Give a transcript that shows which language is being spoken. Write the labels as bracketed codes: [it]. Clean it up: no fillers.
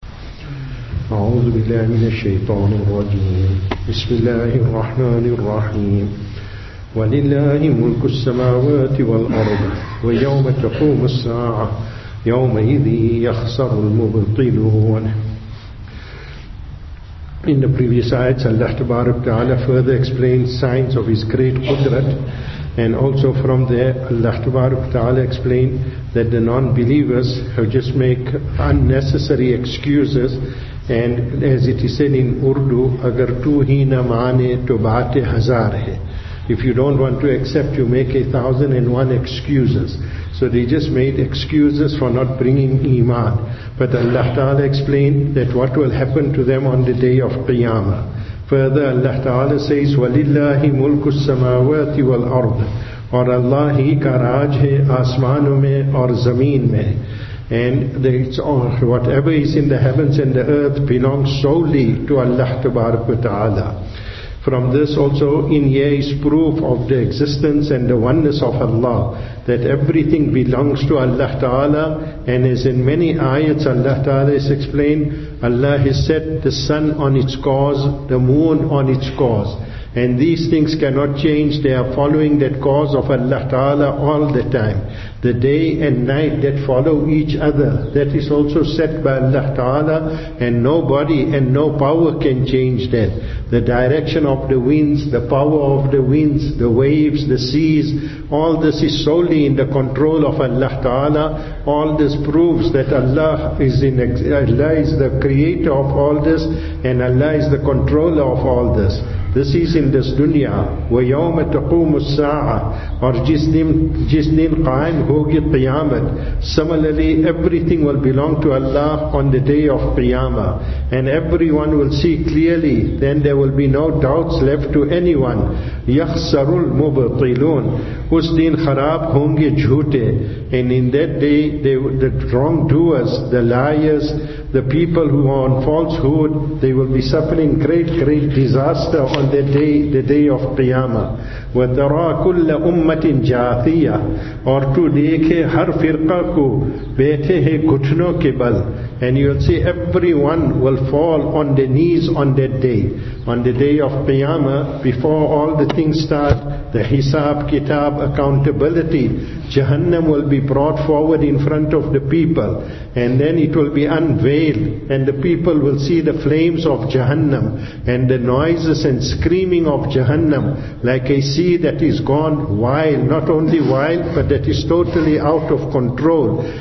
[ar] أعوذ بالله من الشيطان الرجيم. بسم الله الرحمن الرحيم. ولله ملك السماوات والأرض ويوم تقوم الساعة يومئذ يخسر المبطلون. [en] In the previous ayats, Allah Tabarak Ta'ala further explains signs of His great Qudrat, and also from there Allah Tabarak Ta'ala explained that the non-believers have just make unnecessary excuses. And as it is said in Urdu, [ur] agar tu hi na maane to baate hazar hai. [en] If you don't want to accept, you make 1,001 excuses. So they just made excuses for not bringing iman. But Allah Ta'ala explained that what will happen to them on the day of Qiyamah. Further, Allah Ta'ala says, [ar] وَلِلَّهِ مُلْكُ السَّمَاوَاتِ وَالْأَرْضِ [ur] اور اللہ ہی کا راج ہے آسمانوں میں اور زمین میں. [en] And it's all, whatever is in the heavens and the earth belongs solely to Allah Tabarak wa Ta'ala. From this also, in here is proof of the existence and the oneness of Allah, that everything belongs to Allah Ta'ala. And as in many ayats Allah Ta'ala has explained, Allah has set the sun on its course, the moon on its course. And these things cannot change. They are following that cause of Allah Ta'ala all the time. The day and night that follow each other, that is also set by Allah Ta'ala, and nobody and no power can change that. The direction of the winds, the power of the winds, the waves, the seas, all this is solely in the control of Allah Ta'ala. All this proves that Allah is the creator of all this, and Allah is the controller of all this. This is in this dunya. [ar] وَيَوْمَ تَقُومُ السَّاعَةِ [ur] اور جس دن قائم ہوگی قیامت. [en] Similarly, everything will belong to Allah on the day of Qiyamah. And everyone will see clearly. Then there will be no doubts left to anyone. [ar] يَخْسَرُ الْمُبْطِلُونَ [ur] اس دن خراب ہوں گے جھوٹے. [en] And in that day, the wrongdoers, the liars, the people who are on falsehood, they will be suffering great, great disaster on the day of Qiyamah. [ar] وَتَرَا كُلَّ أُمَّةٍ جَاثِيَةٍ [ur] اور تو دیکھے ہر فرقہ کو بیٹھے ہیں گھٹنوں کے بل. [en] And you'll see everyone will fall on their knees on that day. On the day of Qiyamah, before all the things start, the hisab, kitab, accountability, Jahannam will be brought forward in front of the people. And then it will be unveiled, and the people will see the flames of Jahannam and the noises and screaming of Jahannam like a sea that is gone wild, not only wild, but that is totally out of control.